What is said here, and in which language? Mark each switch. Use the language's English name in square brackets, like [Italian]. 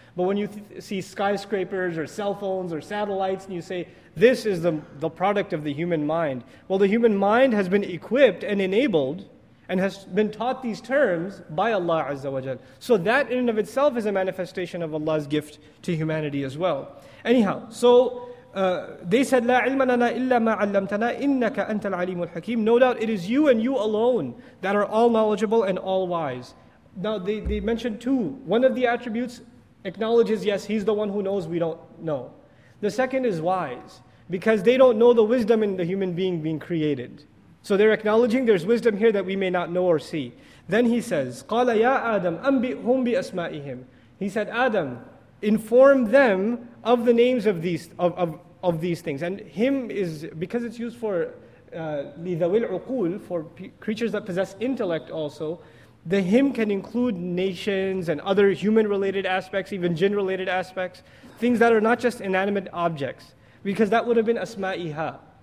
[English] But when you see skyscrapers or cell phones or satellites, and you say, this is the product of the human mind. Well, the human mind has been equipped and enabled and has been taught these terms by Allah Azza wa Jal. So that in and of itself is a manifestation of Allah's gift to humanity as well. Anyhow, so they said, [Arabic] لَا عِلْمَ لَنَا إِلَّا مَا عَلَّمْتَنَا إِنَّكَ أَنْتَ الْعَلِيمُ الْحَكِيمُ. [English] No doubt it is you and you alone that are all knowledgeable and all wise. Now they mentioned two. One of the attributes acknowledges, yes, He's the one who knows, we don't know. The second is wise, because they don't know the wisdom in the human being being created. So they're acknowledging there's wisdom here that we may not know or see. Then he says, [Arabic] قَالَ يَا آدَمْ أَنْبِئْهُمْ بِأَسْمَائِهِمْ. [English] He said, Adam, inform them of the names of these things. And him is, because it's used for [Arabic] لِذَوِ الْعُقُولِ, [English] for creatures that possess intellect also, the him can include nations and other human-related aspects, even jinn-related aspects, things that are not just inanimate objects, because that would have been أَسْمَائِهَا.